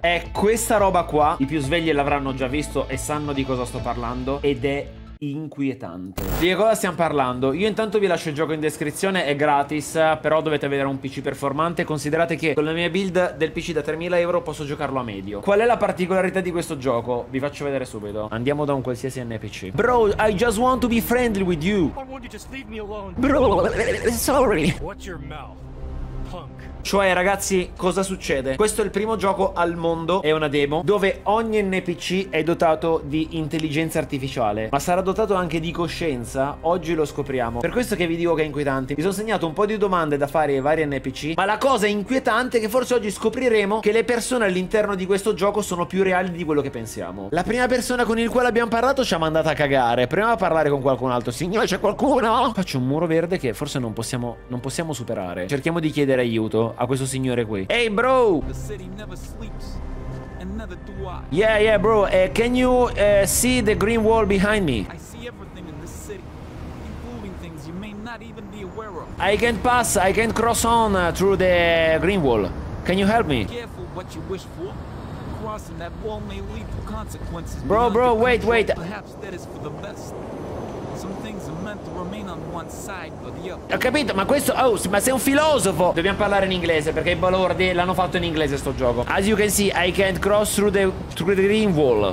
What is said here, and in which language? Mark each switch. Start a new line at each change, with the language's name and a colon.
Italian: È questa roba qua. I più svegli l'avranno già visto e sanno di cosa sto parlando. Ed è inquietante. Di che cosa stiamo parlando? Io intanto vi lascio il gioco in descrizione, è gratis, però dovete avere un PC performante. Considerate che con la mia build del PC da 3000 euro posso giocarlo a medio. Qual è la particolarità di questo gioco? Vi faccio vedere subito. Andiamo da un qualsiasi NPC.
English: Bro, I just want to be friendly with you. Bro, sorry. What's your mouth?
Italian: Cioè, ragazzi, cosa succede? Questo è il primo gioco al mondo, è una demo, dove ogni NPC è dotato di intelligenza artificiale. Ma sarà dotato anche di coscienza? Oggi lo scopriamo. Per questo che vi dico che è inquietante. Mi sono segnato un po' di domande da fare ai vari NPC, ma la cosa inquietante è che forse oggi scopriremo che le persone all'interno di questo gioco sono più reali di quello che pensiamo. La prima persona con il quale abbiamo parlato ci ha mandato a cagare. Proviamo a parlare con qualcun altro. Signore, c'è qualcuno? Faccio un muro verde che forse non possiamo superare. Cerchiamo di chiedere aiuto a questo signore qui.
English: Hey bro! The city never sleeps and never do I. Yeah, yeah, bro. Can you see the green wall behind me? I see everything in this city, including things you may not even be aware of. I can't pass, I can't cross on through the green wall. Can you help me? Be careful what you wish for. Crossing that wall may lead to consequences. Bro, wait. Perhaps that is for the best. Some things are meant to remain on one side but the other.
Italian: Ho capito, ma questo, oh, ma sei un filosofo. Dobbiamo parlare in inglese perché i balordi l'hanno fatto in inglese sto gioco.
English: As you can see, I can't cross through the green wall.